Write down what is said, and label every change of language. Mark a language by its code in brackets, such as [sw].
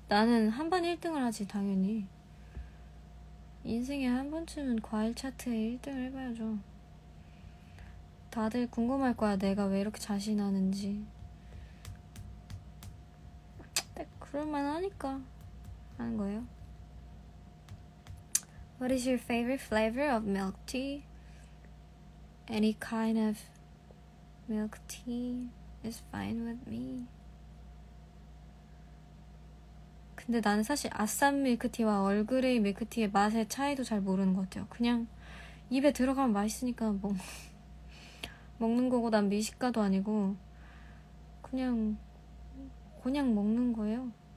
[ko] 나는 한 번 1등을 하지 당연히. 인생에 한 번쯤은 과일 차트에 1등을 해봐야죠. 다들 궁금할 거야 내가 왜 이렇게 자신하는지. 근데 그럴만하니까 하는 거예요. [en] What is your favorite flavor of milk tea? Any kind of milk tea is fine with me. [ko] 근데 나는 사실 아싼 밀크티와 얼그레이 밀크티의 맛의 차이도 잘 모르는 것 같아요. 그냥 입에 들어가면 맛있으니까 뭐 먹는 거고 난 미식가도 아니고 그냥 먹는 거예요.